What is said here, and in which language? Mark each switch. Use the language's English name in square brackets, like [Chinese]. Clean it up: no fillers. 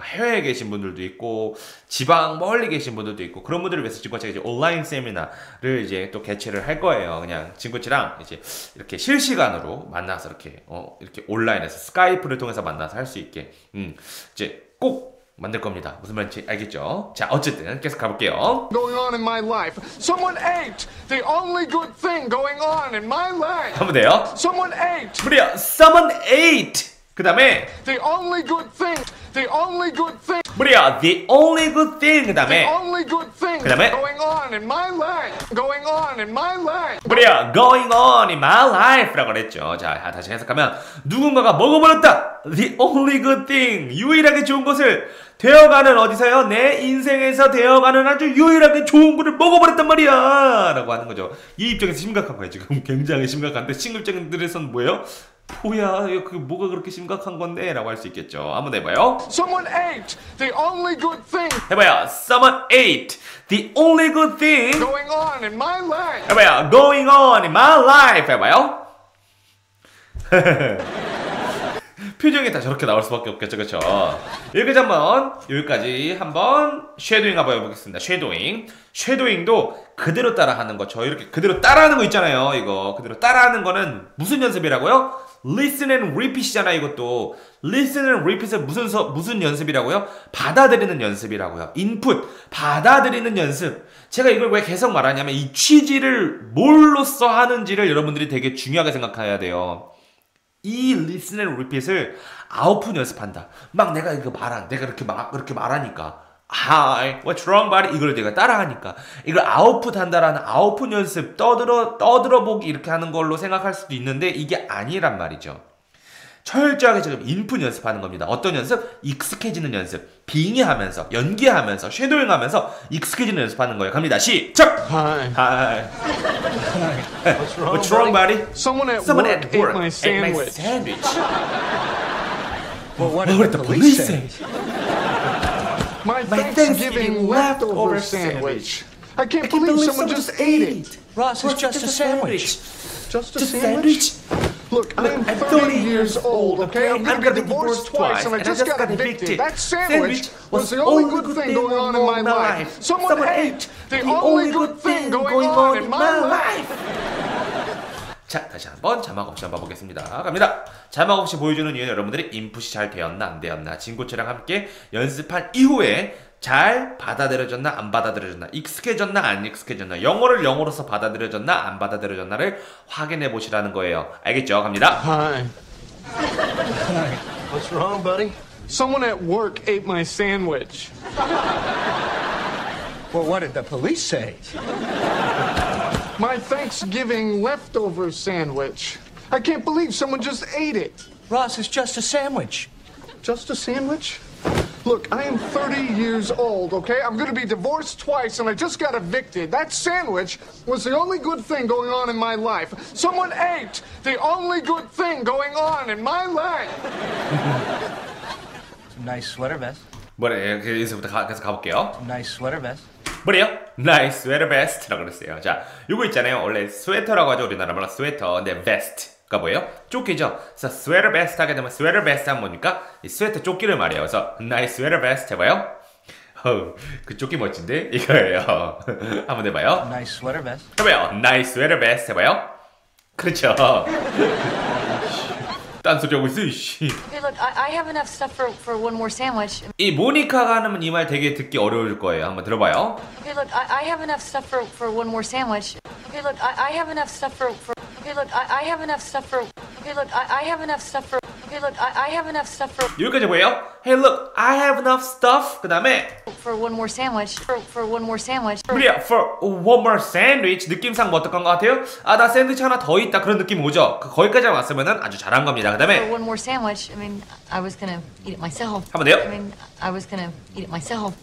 [Korean] 해외에 계신 분들도 있고 지방 멀리 계신 분들도 있고 그런 분들을 위해서 진코치가 이제 온라인 세미나를 이제 또 개최를 할 거예요. 그냥 진코치랑 이제 이렇게 실시간으로 만나서 이렇게 온라인에서 스카이프를 통해서 만나서 할 수 있게 이제 꼭 만들 겁니다. 무슨 말인지 알겠죠? 자, 어쨌든 계속 가볼게요. [English] Going on in my life. Someone ate the only good thing going on in my life. [Korean] 한번 돼요? [English] Someone ate. [Korean] 그래요. [English] Someone ate. [Korean] 그 다음에 [English] The only good thing. The only good thing. [Korean] 뭐래요? [English] The only good thing. [Korean] 그 다음에 [English] The only good thing. [Korean] 그 다음에 [English] Going on in my life. Going on in my life. [Korean] 뭐래요? [English] Going on in my life. [Korean] 라고 그랬죠. 자, 다시 해석하면 누군가가 먹어버렸다. [English] The only good thing. [Korean] 유일하게 좋은 것을 되어가는 어디서요? 내 인생에서 되어가는 아주 유일하게 좋은 것을 먹어버렸단 말이야. 라고 하는 거죠. 이 입장에서 심각한 거예요. 지금 굉장히 심각한데 심급장들에선 뭐예요? 뭐야, 그 뭐가 그렇게 심각한 건데? 라고 할 수 있겠죠. 한번 해봐요. [English] Someone ate the only good thing. [Korean] 해봐요. [English] Someone ate the only good thing. Going on in my life. [Korean] 해봐요. [English] Going on in my life. [Korean] 해봐요. 표정이 다 저렇게 나올 수밖에 없겠죠, 그렇죠? 여기까지 한번 쉐도잉 한번 해보겠습니다. 쉐도잉. 쉐도잉도 그대로 따라하는 거죠. 이렇게 그대로 따라하는 거 있잖아요, 이거. 그대로 따라하는 거는 무슨 연습이라고요? [English] Listen and repeat이잖아, [Korean] 이것도. [English] Listen and repeat [Korean] 은 무슨 연습이라고요? 받아들이는 연습이라고요. Input, 받아들이는 연습. 제가 이걸 왜 계속 말하냐면 이 취지를 뭘로써 하는지를 여러분들이 되게 중요하게 생각해야 돼요. 이 [English] listen and repeat [Korean] 을 아웃풋 연습한다. 막 내가 이렇게 말한, 내가 그렇게 말하니까. [English] Hi, what's wrong, buddy? [Korean] 이걸 내가 따라하니까. 이걸 아웃풋 한다라는 아웃풋 연습, 떠들어보기 이렇게 하는 걸로 생각할 수도 있는데, 이게 아니란 말이죠. 철저하게 지금 인풋 연습하는 겁니다. 어떤 연습? 익숙해지는 연습. 빙의하면서, 연기하면서, 쉐도잉하면서 익숙해지는 연습하는 거예요. 갑니다. 시작! [English] Hi. Hi. Hi. What's wrong, buddy? Someone at work ate my sandwich. Ate my sandwich. Well, what did the police say? My Thanksgiving leftover sandwich. I can't believe someone just ate it. Ross, it's just a sandwich. Just a sandwich? Look, I'm 30 years old, okay? I'm gonna get divorced twice, and I just got evicted. That sandwich was the only good thing going on in my life. Someone ate the only good thing going on in my life. [Korean] 자, 다시 한번 자막 없이 한번 봐보겠습니다. 갑니다. 자막 없이 보여주는 이유는 여러분들이 인풋이 잘 되었나 안 되었나, 진코치랑 함께 연습한 이후에 잘 받아들여졌나 안 받아들여졌나, 익숙해졌나 안 익숙해졌나, 영어를 영어로서 받아들여졌나 안 받아들여졌나를 확인해 보시라는 거예요. 알겠죠? 갑니다. [English] Hi. What's wrong, buddy? Someone at work ate my sandwich. Well, what did the police say? My Thanksgiving leftover sandwich. I can't believe someone just ate it. Ross, it's just a sandwich. Just a sandwich? Look, I am 30 years old, okay? I'm gonna be divorced twice and I just got evicted. That sandwich was the only good thing going on in my life. Someone ate the only good thing going on in my life. Nice sweater vest. [Korean] 뭐래, 여기서부터 계속 가볼게요. [English] Nice sweater vest. [Korean] 뭐래요? [English] Nice sweater vest [Korean] 라고 그랬어요. 자, 요거 있잖아요. 원래 스웨터라고 하죠. 우리나라 말로 스웨터. 근데 vest가 뭐예요? 조끼죠. 그래서 sweater vest 하게 되면 sweater vest 하면 뭡니까? 이 스웨터 조끼를 말해요. 그래서 [English] nice sweater vest [Korean] 해봐요. 그 조끼 멋진데? 이거예요. 한번 해봐요. [English] Nice sweater vest. [Korean] 해봐요. [English] Nice sweater vest [Korean] 해봐요. 그렇죠. 딴 소리 하고 있어, 이씨. [English] Hey, look, I have enough stuff for one more sandwich. [Korean] 이 모니카가 하면 이 말 되게 듣기 어려울 거예요. 한번 들어봐요. [English] Hey, look, I have enough stuff for one more sandwich. Hey, look, I have enough stuff for. Hey, look, I have enough stuff for. Hey, look, I have enough stuff for. Hey, look, I have enough stuff for. [Korean] 여기까지 뭐예요? [English] Hey, look, I have enough stuff. [Korean] 그 다음에 [English] for one more sandwich. For one more sandwich. [Korean] 그래요, [English] for one more sandwich. [Korean] 느낌상 뭐 어떨 것 같아요? 아, 나 샌드위치 하나 더 있다. 그런 느낌 오죠? 거기까지 왔으면 아주 잘한 겁니다. 그 다음에 [English] for one more sandwich. I mean, I was gonna eat it myself. [Korean] 한번 돼요? [English] I was gonna eat it myself.